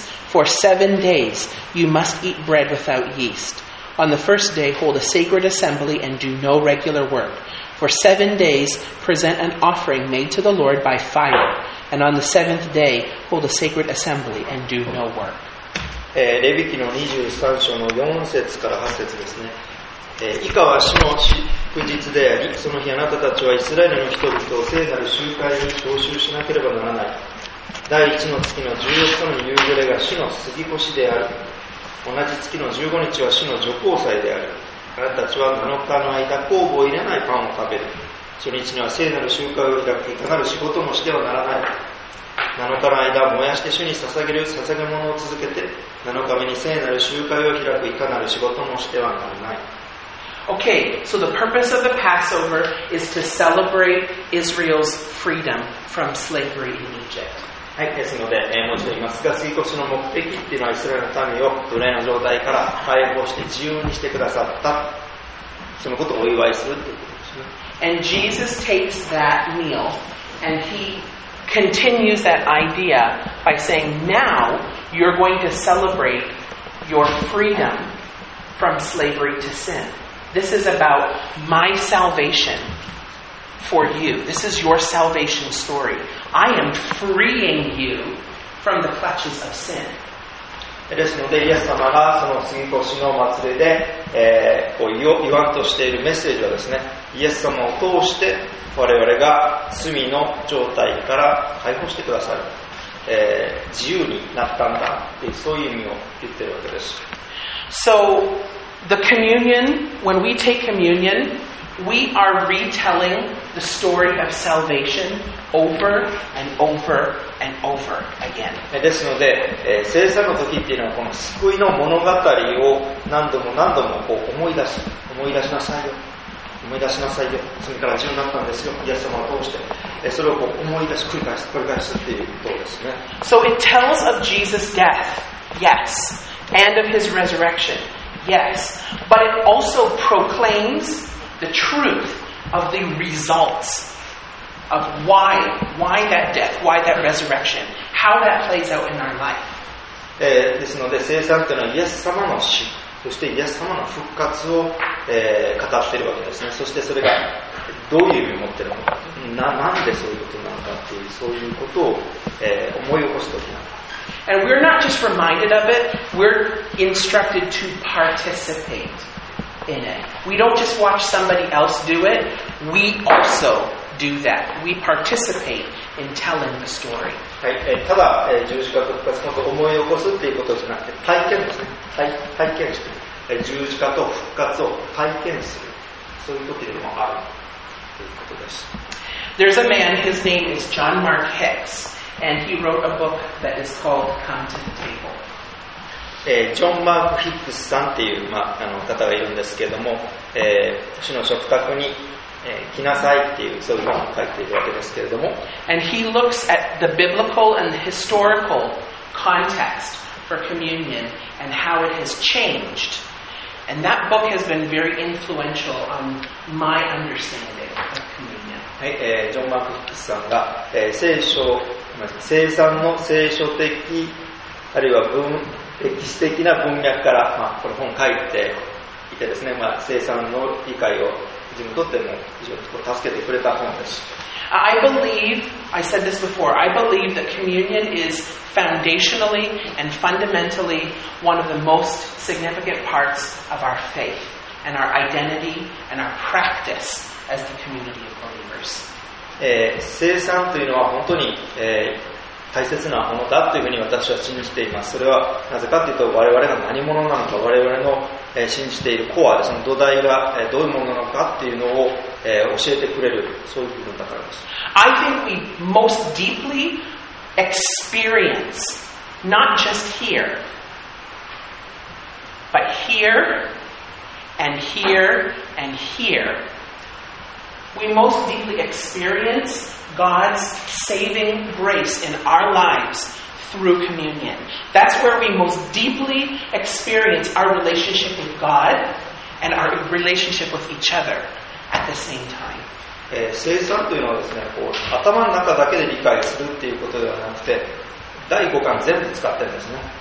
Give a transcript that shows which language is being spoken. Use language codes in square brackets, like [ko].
[en] For 7 days, you must eat bread without yeast. On the first day, hold a sacred assembly and do no regular work. For 7 days, present an offering made to the Lord by fire. And on the seventh day, hold a sacred assembly and do no work. [ja] レビ記の23章の4節から8節ですね。以下は主の祝日であり、その日あなたたちはイスラエルの人々を聖なる集会に召集しなければならない。第1の月の14日の夕暮れが主の杉越である。同じ月の15日は主の除光祭である。あなたたちは7日の間、酵母を入れないパンを食べる。初日には聖なる集会を開く、いかなる仕事もしてはならない。 7日の間、燃やして主に捧げる捧げ物を続けて、7日目に聖なる集会を開く、いかなる仕事もしてはならない。 [en] Okay, so the purpose of the Passover is to celebrate Israel's freedom from slavery in Egypt. [ja] はい、ですので、もちろんいますが、杉越の目的っていうのは、イスラエルの民を奴隷の状態から解放して自由にしてくださった、そのことをお祝いするということ。 [en] And Jesus takes that meal and he continues that idea by saying, now you're going to celebrate your freedom from slavery to sin. This is about my salvation for you. This is your salvation story. I am freeing you from the clutches of sin. [ja] ですので、イエス様がその杉越の祭りで、こう言わんとしているメッセージはですね、イエス様を通して我々が罪の状態から解放してくださる、自由になったんだって、そういう意味を言っているわけです。 [en] So, the communion, when we take communion, we are retelling the story of salvation. Over and over and over again. [ja] ですので、聖餐の時っていうのはこの救いの物語を何度も何度もこう思い出す、思い出しなさいよ、思い出しなさいよ、罪から自由になったんですよ、イエス様を通して、それをこう思い出す、繰り返す、繰り返すっていうことですね。 [en] So it tells of Jesus' death, yes, and of his resurrection, yes, but it also proclaims the truth of the results. Of why that death, why that resurrection, how that plays out in our life. [ja] ですので、聖餐というのはイエス様の死、そしてイエス様の復活を、語っているわけですね。そしてそれがどういう意味を持っているのか、なんでそういうことなのかっていう、そういうことを、思い起こすときなのか。 [en] And we're not just reminded of it, we're instructed to participate in it. We don't just watch somebody else do it, we also. Do that. We participate in telling the story. [ja] はい、ただ、十字架と復活の思い起こすっていうことじゃなくて体験ですね。体験して、十字架と復活を体験する。そういう時でもあるということです。 [en] There's a man, his name is John Mark Hicks, and he wrote a book that is called Come to the Table. [ja] ジョン・マーク・ヒックスさんっていう、ま、あの方がいるんですけども、主の食卓に来なさいっていうそういう本を書いているわけですけれども。 [en] And he looks at the biblical and the historical context for communion and how it has changed And that book has been very influential on my understanding of communion. [ja] はい、ジョン・マークックスさんが、聖書、聖餐の聖書的あるいは歴史的な文脈から、まあ、この本を書いていてですね、まあ、聖餐の理解を自分にとっても非常にこう助けてくれた本です。 [en] I believe, I said this before, I believe that communion is foundationally and fundamentally one of the most significant parts of our faith and our identity and our practice as the community of believers. [ja] 聖餐というのは本当に、大切なものだというふうに私は信じています。それはなぜかというと、我々が何者なのか、我々の信じているコア、その土台がどういうものなのかというのを教えてくれる、そういう部分だからです。 [en] I think we most deeply experience, not just here, but here, and here, and here, we most deeply experience God's saving grace in our lives through communion. That's where we most deeply experience our relationship with God and our relationship with each other. At the same time. [ja] 聖餐というのはですね、こう頭の中だけで理解するっていうことではなくて、第五感全部使ってるんですね。